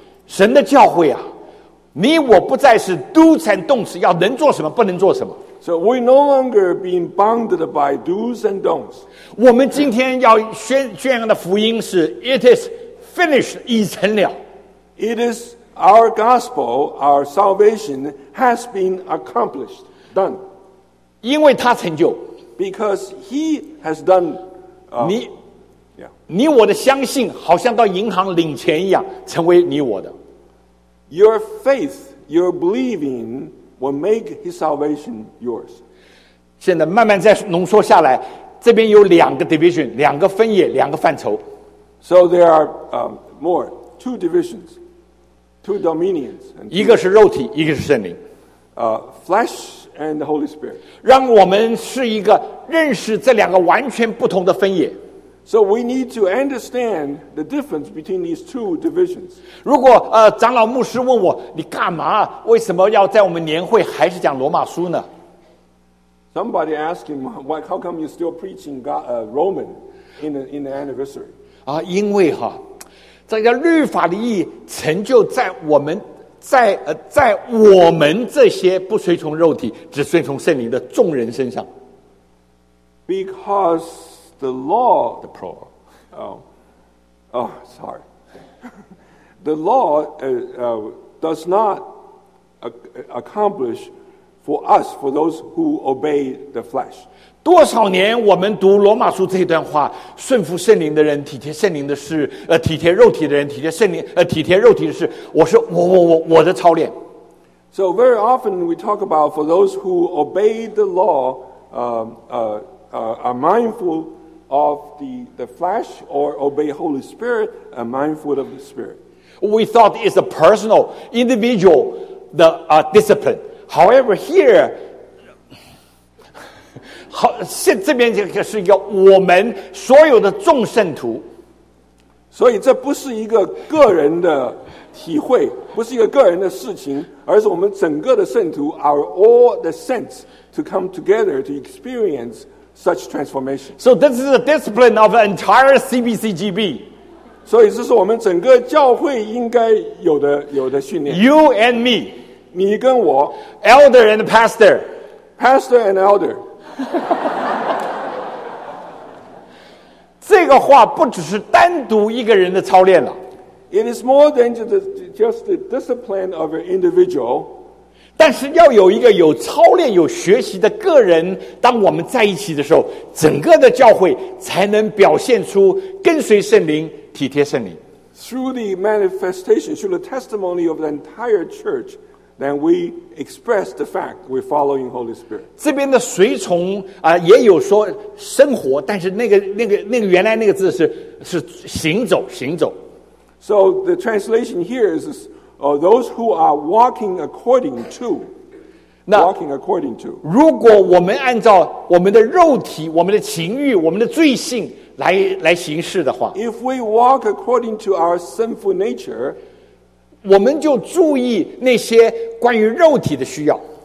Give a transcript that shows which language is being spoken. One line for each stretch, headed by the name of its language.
Chinese: 神的教会啊你我不再是
English: do's and don'ts，
Chinese: 要能做什么，不能做什么。
English: So we no longer being bounded by do's and don'ts。
Chinese: 我们今天要宣扬的福音是 ：
English: It is finished，
Chinese: 已成了。
English: It is our gospel, our salvation has been accomplished, done。
Chinese: 因为他成就。
English: Because he has done、
Chinese: 你。你我的相信，好像到银行领钱一样，成为你我的。
English: Your faith, your believing will make his salvation yours.
Chinese: 现在慢慢再浓缩下来，这边有两个 division, 两个分野，两个范畴。
English: So there are more, two divisions, two dominions. And two,
Chinese: 一个是肉体，一个是圣灵。
English: Flesh and the Holy Spirit.
Chinese: 让我们是一个认识这两个完全不同的分野。
English: So we need to understand the difference between these two divisions.
Chinese: 如果长老牧师问我，你干嘛？为什么要在我们年会还是讲罗马书呢？
English: Somebody asked him, "Why? How come you're still preaching God, Roman in the anniversary?"
Chinese: 啊，因为哈，这个律法的意义成就在我们在我们这些不随从肉体，只随从圣灵的众人身上。
English: Because the law, the plural. Sorry. The law does not accomplish for us, for those who obey the flesh.
Chinese: 多少年我们读罗马书这段话，顺服圣灵的人体贴圣灵的事，体贴肉体的人体贴圣灵，体贴肉体的事，我是我的操练。
English: So very often we talk about for those who obey the law, are mindful of the flesh, or obey Holy Spirit, and mindful of the Spirit. We thought it's a personal, individual, the discipline. However, here,
Chinese: 好，这边这个是一个我们所有的众圣徒。所以这不是一个个人的体会，不是一个个人的事情，而是我们整个的圣徒
English: are all the saints to come together to experience such transformation. So this is the discipline of an entire CBCGB.
Chinese: 所以这是我们整个教会应该有的训练。
English: You and me.
Chinese: 你跟我。
English: Elder and pastor. Pastor and elder.
Chinese: 这个话不只是单独一个人的操练了。
English: It is more than just the discipline of an individual.
Chinese: 但是要有一个有操练、有学习的个人，当我们在一起的时候，整个的教会才能表现出跟随圣灵、体贴圣灵。
English: Through the manifestation, through the testimony of the entire church, then we express the fact we're following Holy Spirit.
Chinese: 这边的随从啊，也有说生活，但是那个原来那个字是行走，行走。
English: So the translation here is those who are walking according to, walking according to.
Chinese: 如果我们按照我们的肉体、我们的情欲、我们的罪性来行事的话，
English: if we walk according to our sinful nature,
Chinese: 我们就注意那些关于肉体的需要。